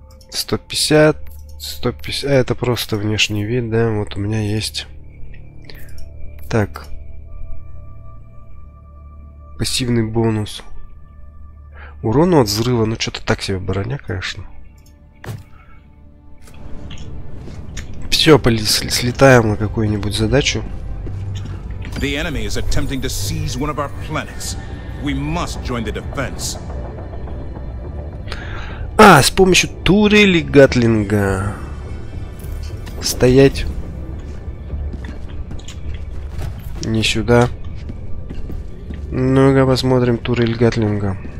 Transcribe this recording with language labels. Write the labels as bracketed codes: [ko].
[ru] 150, это просто внешний вид, да, вот у меня есть. Так. Пассивный бонус. Урон от взрыва, ну что-то так себе броня, конечно. Все, слетаем на какую-нибудь задачу. [en] The enemy is attempting to seize one of our planets. We must join the defense. [ru] А, с помощью турели гатлинга. Стоять. Не сюда. Ну-ка посмотрим турель гатлинга.